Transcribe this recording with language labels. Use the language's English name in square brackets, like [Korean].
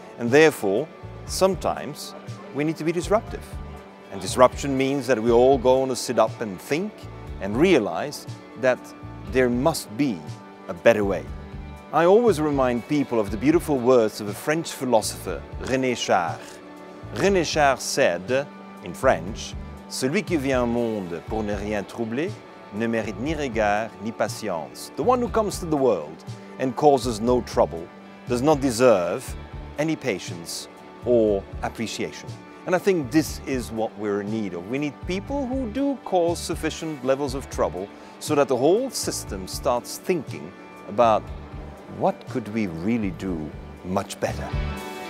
[English] And therefore, sometimes we need to be disruptive. And disruption means that we all go on to sit up and think and realize that there must be a better way. I always remind people of the beautiful words of a French philosopher, René Char. René Char said, in French, [French] celui qui vient au monde pour ne rien troubler ne mérite ni regard ni patience. [English] The one who comes to the world and causes no trouble does not deserve any patience or appreciation. And I think this is what we're in need of. We need people who do cause sufficient levels of trouble so that the whole system starts thinking about what could we really do much better.